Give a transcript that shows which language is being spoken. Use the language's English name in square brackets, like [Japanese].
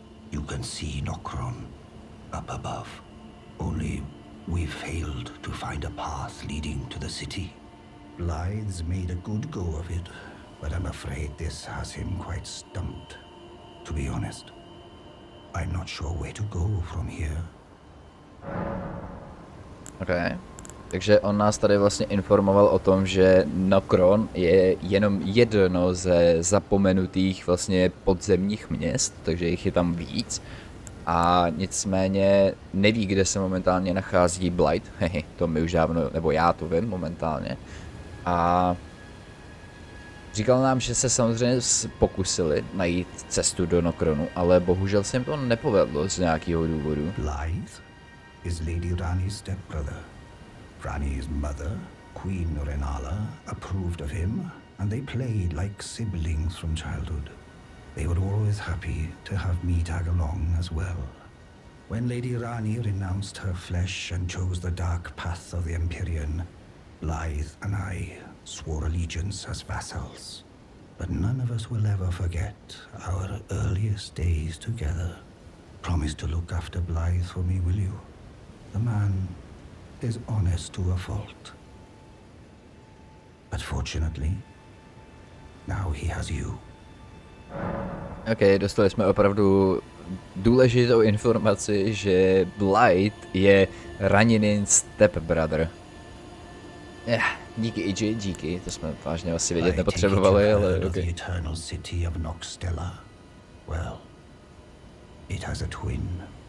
[English] You can see Nokron up above. Only we failed to find a path leading to the city. Blythe's made a good go of it, but I'm afraid this has him quite stumped. To be honest, I'm not sure where to go from here. Okay. [Czech] Takže on nás tady vlastně informoval o tom, že Nokron je jenom jedno ze zapomenutých vlastně podzemních měst, takže jich je tam víc. A nicméně neví, kde se momentálně nachází Blight. To mi už dávno, nebo já to vím momentálně. A říkal nám, že se samozřejmě pokusili najít cestu do Nokronu, ale bohužel se jim to nepovedlo z nějakého důvodu. [English] Blight is Lady Rani's stepbrother. Rani's mother, Queen Renala, approved of him, and they played like siblings from childhood. They were always happy to have me tag along as well. When Lady Rani renounced her flesh and chose the dark path of the Empyrean, Blythe and I swore allegiance as vassals. But none of us will ever forget our earliest days together. Promise to look after Blythe for me, will you? The man is honest to a fault. But fortunately, now he has you. [Czech] Ok, dostali jsme opravdu důležitou informaci, že Blight je Raninin stepbrother. Yeah, díky, IG, díky, to jsme vážně asi vědět nepotřebovali, ale ok. [English] The Eternal City of Noxtella. Well, it has a twin.